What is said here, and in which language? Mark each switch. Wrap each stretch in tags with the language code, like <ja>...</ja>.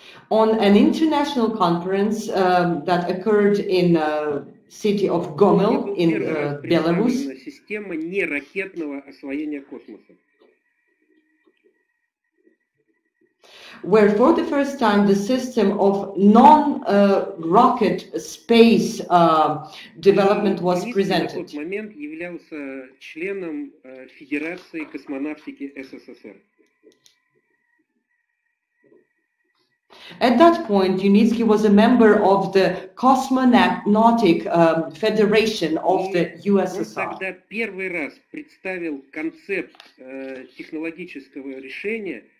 <en>on an international conference that occurred in the city of Gomel in Belarus.</en> <ru>Система неракетного освоения космоса.</ru> <en>Where for the first time the system of non-rocket space development was presented.</en> <ru>В тот момент являлся членом Федерации космонавтики СССР.</ru> <en>At that point, Юницкий was a member of the Cosmonautic Federation of the USSR.</en> <ru>Он тогда первый раз представил концепт технологического решения.</ru>